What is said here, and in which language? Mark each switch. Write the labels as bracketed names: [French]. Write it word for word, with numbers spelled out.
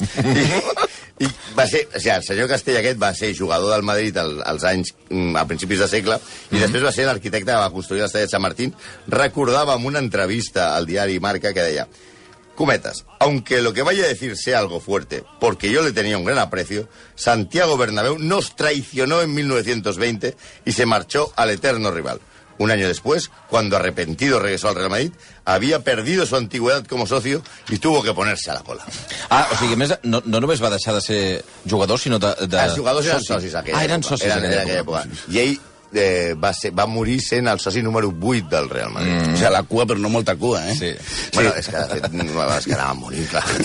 [Catalan] I, i va ser, o sigui, el senyor Castell aquest va ser jugador del Madrid al, als anys, a principis de segle, i mm-hmm, després va ser l'arquitecte que va construir l'estadi de Sant Martín. Recordava en una entrevista al diari Marca que deia... [Spanish] Cometas, aunque lo que vaya a decir sea algo fuerte, porque yo le tenía un gran aprecio, Santiago Bernabéu nos traicionó en mil novecientos veinte y se marchó al eterno rival. Un año después, cuando arrepentido regresó al Real Madrid, había perdido su antigüedad como socio y tuvo que ponerse a la cola. [Catalan] Ah, o sigui, més, no, no només va deixar de ser jugador, sinó de... de... Els jugadors eren socis aquella època. Ah, eren socis eren, aquella, aquella època. I ell Eh, va, ser, va morir sent el soci número vuit del Real Madrid. Mm. O sigui, la cua, però no molta cua, eh? Sí. Bueno, sí. És que, de fet, és que anava morint, clar.